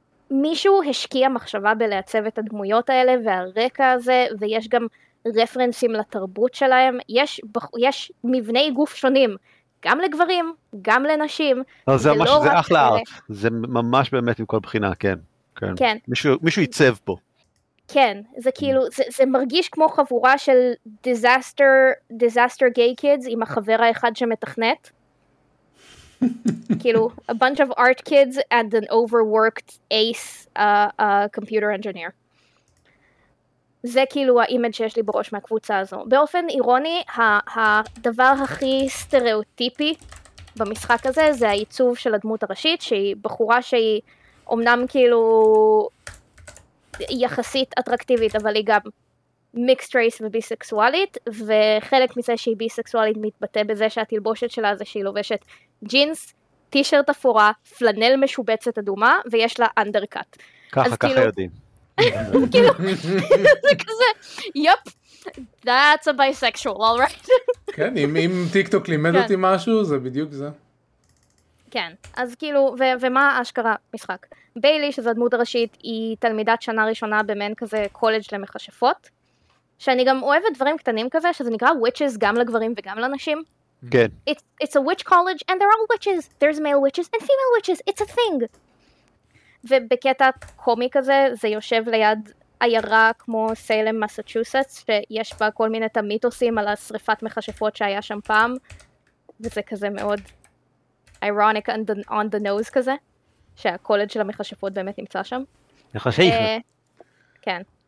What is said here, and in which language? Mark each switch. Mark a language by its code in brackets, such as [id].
[he] מישהו השקיע מחשבה בלעצב את הדמויות האלה והרקע הזה, ויש גם רפרנסים לתרבות שלהם, יש מבני גוף שונים גם לגברים גם לנשים. זה ממש, זה אחלה ארט, זה ממש באמת עם כל בחינה. כן. מישהו ייצב פה. כן, זה כאילו, זה מרגיש כמו חבורה של [en] disaster gay kids [he] עם החבר האחד שמתכנת, כאילו, [en] a bunch of art kids and an overworked ace computer engineer. [he] זה כאילו האימג' שיש לי בראש מהקבוצה הזו. באופן אירוני, הדבר הכי סטריאוטיפי במשחק הזה זה העיצוב של הדמות הראשית, שהיא בחורה שהיא אומנם כאילו יחסית אטרקטיבית, אבל היא גם [en] mixed race [he] וביסקסואלית, וחלק מזה שהיא ביסקסואלית מתבטא בזה שהתלבושת שלה זה שהיא לובשת ג'ינס, טישרט אפורה, פלנל משובצת אדומה, ויש לה אנדרקאט. ככה יודעים. כאילו, זה כזה, [en] יופ, that's a bisexual, all right. [he] כן, אם טיק טוק לימד אותי משהו, זה בדיוק זה. כן, אז כאילו, ומה האשכרה משחק? ביילי, שזו הדמות הראשית, היא תלמידת שנה ראשונה במעין כזה קולג' למחשפות, שאני גם אוהבת דברים קטנים כזה, שזה נקרא witches גם לגברים וגם לנשים. [en] Good. It's a witch college and they're all witches. There's male witches and female witches. It's a thing. [he] ובקטע קומי כזה, זה יושב ליד עיירה כמו סיילם, מסצ'וסטס, שיש בה כל מיני המיתוסים על השריפת מחשפות שהיה שם פעם. וזה כזה מאוד [en] ironic and on the nose [he] כזה, שהקולג' של המחשפות באמת נמצא שם. כן.